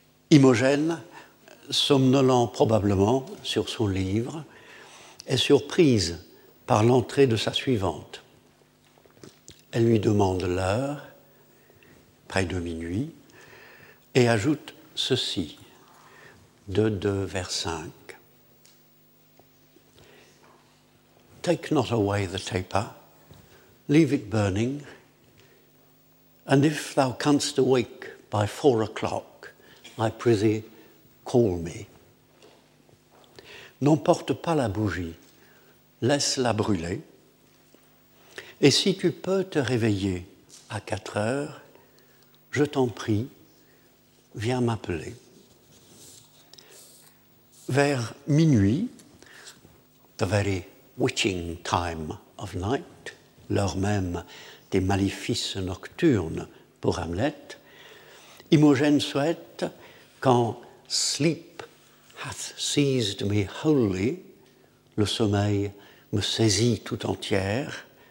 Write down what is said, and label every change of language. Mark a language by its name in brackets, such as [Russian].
[French] Imogène, somnolant probablement sur son livre, est surprise par l'entrée de sa suivante. Elle lui demande l'heure, près de minuit, et ajoute ceci, de 2 vers 5. [English] Take not away the taper, leave it burning, and if thou canst awake by 4 o'clock, I prithee, call me. [French] N'emporte pas la bougie, laisse-la brûler, et si tu peux te réveiller à 4 heures, je t'en prie, viens m'appeler. Vers minuit, [English] the very witching time of night, [French] l'heure même des maléfices nocturnes pour Hamlet, Imogène souhaite, quand [English] sleep hath seized me wholly, [French] le sommeil me saisit tout entière,